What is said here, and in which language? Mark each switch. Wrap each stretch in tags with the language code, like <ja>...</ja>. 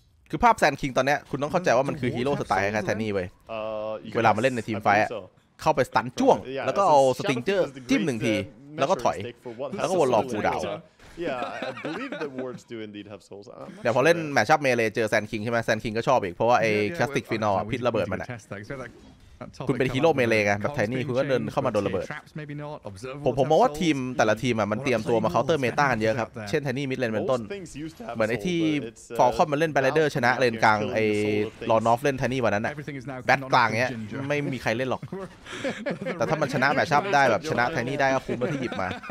<th>คือภาพ Sand King ตอนเนี้ยคุณต้องเข้าใจว่ามันคือฮีโร่สไตล์ใครแทนนี่เว้ยเวลามาเล่นในทีมไฟต์เข้าไปสตันจ้วงแล้วก็เอา stinger จิ้มหนึ่งทีแล้วก็ถอยแล้วก็วนรอคูลดาวน์</th> <en>Yeah, I believe that wards do indeed have souls.</en> <th>เดี๋ยวพอเล่นแมทช์อัพเมเลเจอแซนคิงใช่ไหมแซนคิงก็ชอบอีกเพราะว่าไอ้คลาสติกฟินอลพิษระเบิดมันแหละคุณเป็นฮีโร่เมเลไงแบบไทนี่คุณก็เดินเข้ามาโดนระเบิดผมมองว่าทีมแต่ละทีมอ่ะมันเตรียมตัวมาเคาน์เตอร์เมตากันเยอะครับเช่นไทนี่มิดเลนเป็นต้นเหมือนไอ้ที่ฟอลคอนมันเล่นแบลเดอร์ชนะเลนกลางไอ้ลอนอฟเล่นไทนี่วันนั้นอ่ะแบทกลางเนี้ยไม่มีใครเล่นหรอกแต่ถ้ามันชนะแมทช์อัพได้แบบชนะไทนี่ได้ก็คุ้มที่หยิบมา</th>